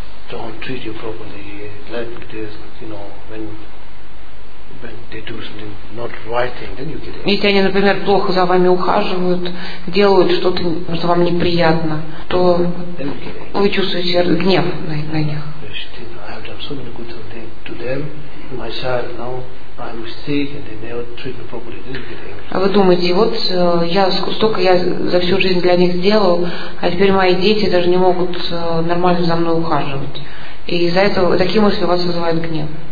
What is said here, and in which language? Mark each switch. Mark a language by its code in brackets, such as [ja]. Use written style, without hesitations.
[en] Don't treat you properly, like this, you know, when they do something not right thing, then you get angry. [ru] Если они, например, плохо за вами ухаживают, делают что-то, что вам неприятно, то вы чувствуете гнев на них. [en] I have done so many good things to them. Myself now, I'm mistake, and they never treat me properly. Then you get angry. [ru] А вы думаете, вот я столько я за всю жизнь для них сделал, а теперь мои дети даже не могут нормально за мной ухаживать. И из-за этого такие мысли у вас вызывают гнев.